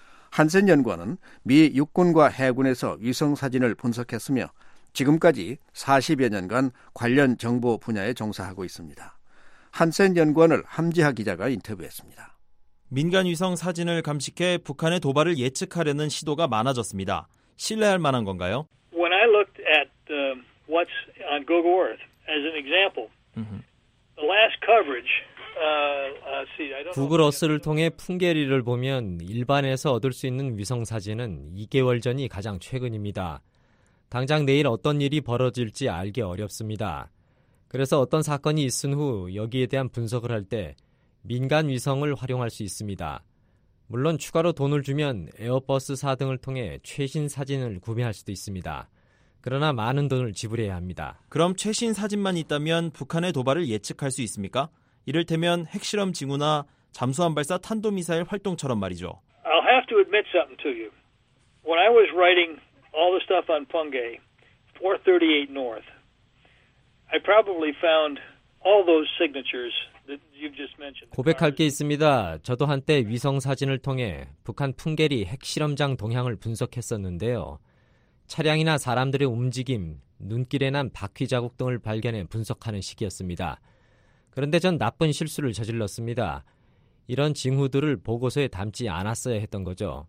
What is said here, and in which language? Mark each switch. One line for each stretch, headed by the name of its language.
Korean: 한센 연구원은 미 육군과 해군에서 위성 사진을 분석했으며 지금까지 40여 년간 관련 정보 분야에 종사하고 있습니다. 한센 연구원을 함지하 기자가 인터뷰했습니다. 민간 위성 사진을 감식해 북한의 도발을 예측하려는 시도가 많아졌습니다. 신뢰할 만한 건가요?
English: When I looked at what's on Google Earth as an example, the last coverage.
Korean: 구글 어스를 통해 풍계리를 보면 일반에서 얻을 수 있는 위성 사진은 2개월 전이 가장 최근입니다. 당장 내일 어떤 일이 벌어질지 알기 어렵습니다. 그래서 어떤 사건이 있은 후 여기에 대한 분석을 할 때 민간 위성을 활용할 수 있습니다. 물론 추가로 돈을 주면 에어버스 4 등을 통해 최신 사진을 구매할 수도 있습니다. 그러나 많은 돈을 지불해야 합니다. 그럼 최신 사진만 있다면 북한의 도발을 예측할 수 있습니까? 이를테면 핵실험 징후나 잠수함 발사 탄도미사일 활동처럼 말이죠.
English: I'll have to admit something to you. When I was writing all the stuff on Punggye, 438 North, I probably found all those signatures that you've just mentioned.
Korean: 고백할 게 있습니다. 저도 한때 위성 사진을 통해 북한 풍계리 핵실험장 동향을 분석했었는데요. 차량이나 사람들의 움직임, 눈길에 난 바퀴 자국 등을 발견해 분석하는 시기였습니다. 그런데 전 나쁜 실수를 저질렀습니다. 이런 징후들을 보고서에 담지 않았어야 했던 거죠.